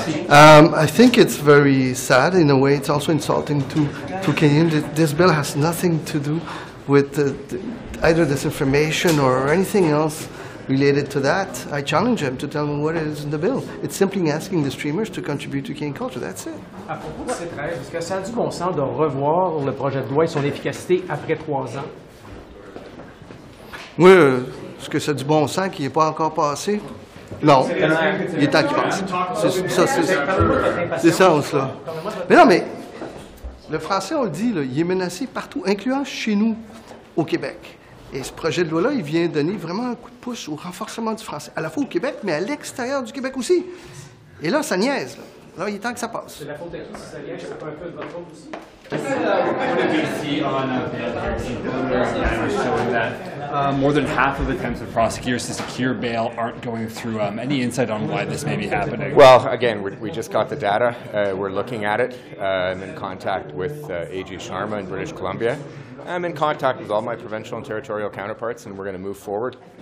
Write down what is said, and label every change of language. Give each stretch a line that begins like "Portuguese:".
English: I think it's very sad in a way. It's also insulting to Canadians. This bill has nothing to do with either disinformation or anything else related to that. I challenge him to tell me what is in the bill. It's simply asking the streamers to contribute to Canadian culture. That's it.
French: À propos de cette règle, est-ce que ça a du bon sens de revoir le projet de loi et son efficacité après trois ans? Oui, est-ce que ça a du bon sens qu'il n'est pas encore passé? Non, il est temps qu'il passe. C'est ça, on se l'a. Mais non, mais le français, on le dit, là, il est menacé partout, incluant chez nous, au Québec. Et ce projet de loi-là, il vient donner vraiment un coup de pouce au renforcement du français, à la fois au Québec, mais à l'extérieur du Québec aussi. Et là, ça niaise. Là. Là, il est temps que ça passe. C'est la faute à qui, si ça vient, c'est un peu de votre faute aussi.
English: More than half of the attempts of prosecutors to secure bail aren't going through. Any insight on why this may be happening? Well, again, we just got the data. We're looking at it. I'm in contact with AG Sharma in British Columbia. I'm in contact with all my provincial and territorial counterparts, and we're going to move forward.